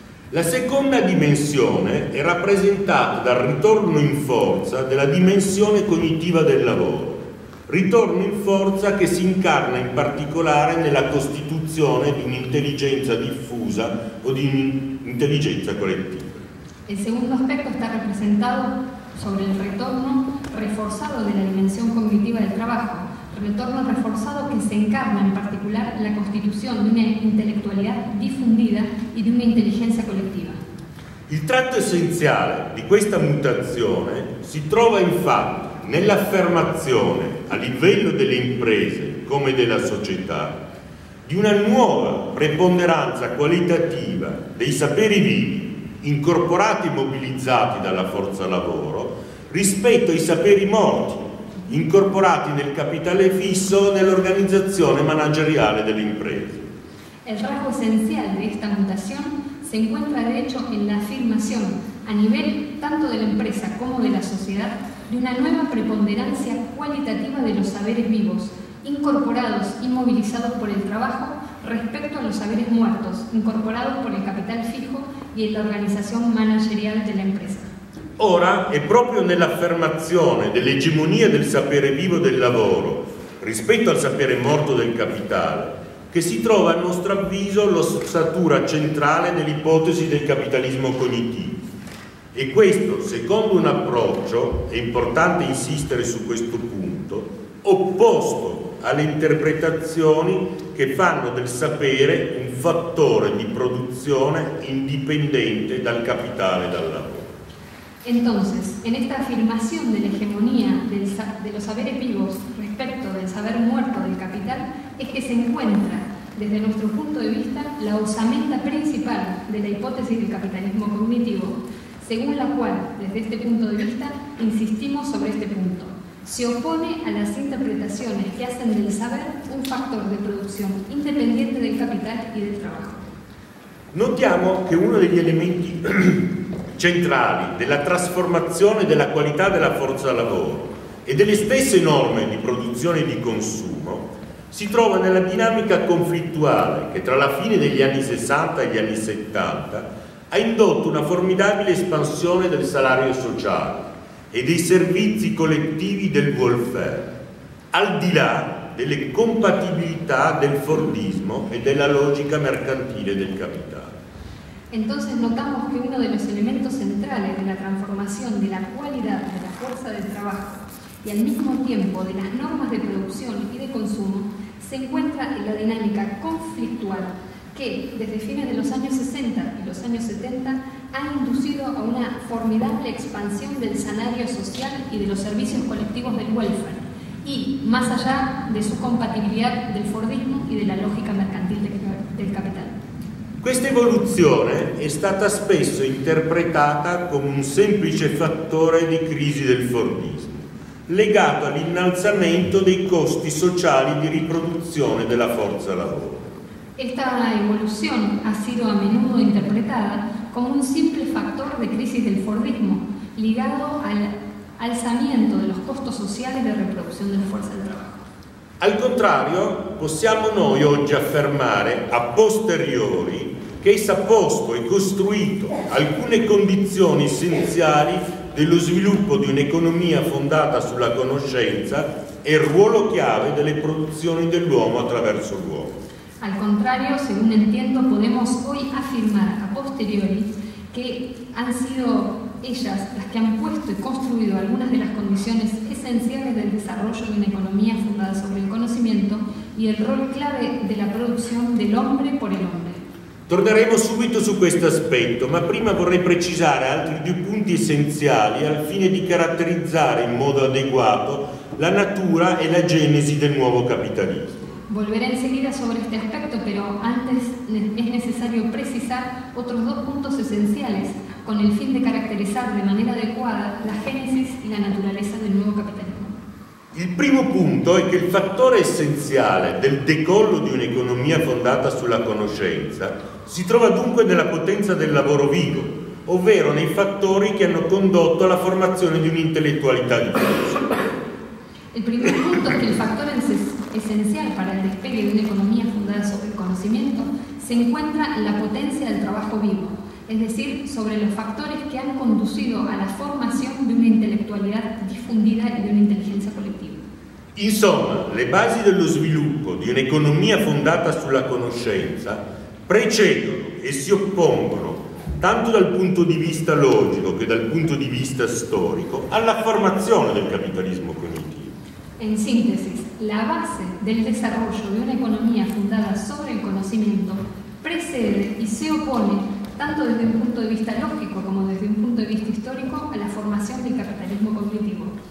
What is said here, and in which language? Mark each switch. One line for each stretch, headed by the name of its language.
Italian: La seconda dimensione è rappresentata dal ritorno in forza della dimensione cognitiva del lavoro, ritorno in forza che si incarna in particolare nella costituzione di un'intelligenza diffusa o di un'intelligenza collettiva.
Spanish: El segundo aspecto está representado sobre el retorno reforzado de la dimensión cognitiva del trabajo. Retorno reforzado que se encarna en particular la constitución de una intelectualidad difundida y de una inteligencia colectiva.
Italian: Il tratto essenziale di questa mutazione si trova infatti nell'affermazione a livello delle imprese come della società di una nuova preponderanza qualitativa dei saperi vivi incorporati e mobilizzati dalla forza lavoro rispetto ai saperi morti incorporati nel capitale fisso nell'organizzazione manageriale dell'impresa.
Spanish: El rasgo esencial de esta mutación se encuentra de hecho en la afirmación a nivel tanto de la empresa como de la sociedad de una nueva preponderancia cualitativa de los saberes vivos, incorporados y movilizados por el trabajo, respecto a los saberes muertos, incorporados por el capital fijo y en la organización managerial de la empresa.
Italian: Ora, è proprio nell'affermazione dell'egemonia del sapere vivo del lavoro rispetto al sapere morto del capitale che si trova, a nostro avviso, l'ossatura centrale dell'ipotesi del capitalismo cognitivo. E questo, secondo un approccio, è importante insistere su questo punto, opposto alle interpretazioni che fanno del sapere un fattore di produzione indipendente dal capitale e dal lavoro.
Spanish: Entonces, en esta afirmación de la hegemonía de los saberes vivos respecto del saber muerto del capital, es que se encuentra, desde nuestro punto de vista, la osamenta principal de la hipótesis del capitalismo cognitivo, según la cual, desde este punto de vista, insistimos sobre este punto. Se opone a las interpretaciones que hacen del saber un factor de producción independiente del capital y del trabajo.
Italian: Notiamo que uno degli elementi centrali della trasformazione della qualità della forza lavoro e delle stesse norme di produzione e di consumo si trova nella dinamica conflittuale che tra la fine degli anni 60 e gli anni 70 ha indotto una formidabile espansione del salario sociale e dei servizi collettivi del welfare, al di là delle compatibilità del fordismo e della logica mercantile del capitale.
Spanish: Entonces notamos que uno de los elementos centrales de la transformación de la cualidad de la fuerza del trabajo y al mismo tiempo de las normas de producción y de consumo se encuentra en la dinámica conflictual que desde fines de los años 60 y los años 70 ha inducido a una formidable expansión del salario social y de los servicios colectivos del welfare y más allá de su compatibilidad del fordismo y de la lógica mercantil del capital.
Italian: Questa evoluzione è stata spesso interpretata come un semplice fattore di crisi del fordismo, legato all'innalzamento dei costi sociali di riproduzione della forza lavoro.
Spanish: Esta evolución ha sido a menudo interpretada como un simple factor de crisis del fordismo, ligado al alzamiento de los costos sociales de reproducción de la fuerza del trabajo.
Italian: Al contrario, possiamo noi oggi affermare a posteriori che essa ha posto e costruito alcune condizioni essenziali dello sviluppo di un'economia fondata sulla conoscenza e il ruolo chiave delle produzioni dell'uomo attraverso l'uomo.
Spanish: Al contrario, según entiendo, podemos hoy afirmar a posteriori che han sido ellas las que han puesto y construido algunas de las condiciones esenciales del desarrollo de una economía fundada sobre el conocimiento y el rol clave de la producción del hombre por el hombre.
Italian: Torneremo subito su questo aspetto, ma prima vorrei precisare altri due punti essenziali al fine di caratterizzare in modo adeguato la natura e la genesi del nuovo capitalismo.
Spanish: Volveré enseguida sobre este aspecto, pero antes es necesario precisar otros dos puntos esenciales con el fin de caracterizar de manera adecuada la génesis y la naturaleza del nuevo capitalismo. El primo punto es que el factor esencial del decollo de una economía fundada
Italian: sulla conoscenza si trova dunque nella potenza del lavoro vivo, ovvero nei fattori che hanno condotto alla formazione di un'intellettualità di produzione.
Spanish: El primer punto es que el factor esencial para el despegue de una economía fundada sobre el conocimiento se encuentra en la potencia del trabajo vivo, es decir, sobre los factores que han conducido a la formación de una intelectualidad difundida y de una inteligencia colectiva.
Italian: Insomma, le basi dello sviluppo di un'economia fondata sulla conoscenza precedono e si oppongono, tanto dal punto di vista logico che dal punto di vista storico, alla formazione del capitalismo cognitivo.
Spanish: En síntesis, la base del desarrollo de una economía fundada sobre el conocimiento precede y se opone, tanto desde un punto de vista lógico como desde un punto de vista histórico, a la formación del capitalismo cognitivo.